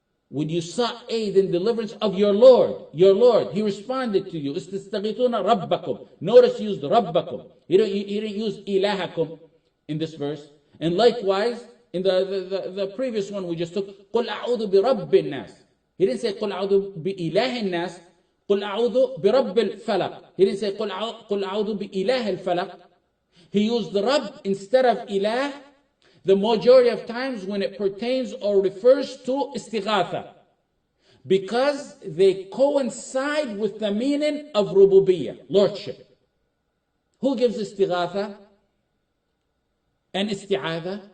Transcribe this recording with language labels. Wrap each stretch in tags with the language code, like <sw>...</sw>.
<en>When you sought aid and deliverance of your Lord, He responded to you. Istastaghithuna rabbakum. Notice He used rabbakum. He didn't use ilahakum in this verse. And likewise, in the previous one we just took,</en> <ar>قُلْ أَعُوذُ بِرَبِّ النَّاسِ.</ar> <en>He didn't say,</en> <ar>قُلْ أَعُوذُ بِإِلَهِ النَّاسِ. قُلْ أَعُوذُ بِرَبِّ الْفَلَقِ.</ar> <en>He didn't say,</en> <ar>قُلْ أَعُوذُ بِإِلَهِ الْفَلَقِ.</ar> <en>He used Rabb instead of ilah, the majority of times when it pertains or refers to istighatha, because they coincide with the meaning of rububiyyah, lordship. Who gives istighatha and isti'adha?</en>